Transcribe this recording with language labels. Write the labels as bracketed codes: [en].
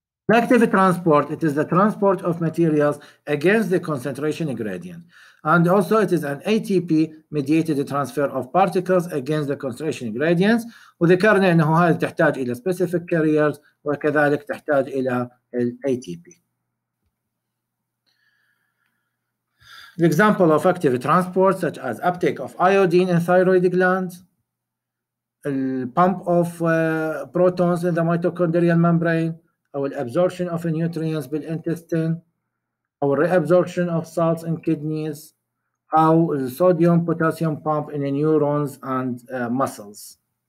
[en] Active transport, it is the transport of materials against the concentration gradient. And also it is an ATP mediated transfer of particles against the concentration gradients. [ar] وذكرنا انه هذا تحتاج الى specific carriers وكذلك تحتاج الى ATP. [en] The example of active transport such as uptake of iodine in thyroid gland, the pump of protons in the mitochondrial membrane, أو الأبزورشن of nutrients بالإنتستين، أو الرأبزورشن of salts in kidneys، أو الصوديوم potassium pump in neurons and muscles.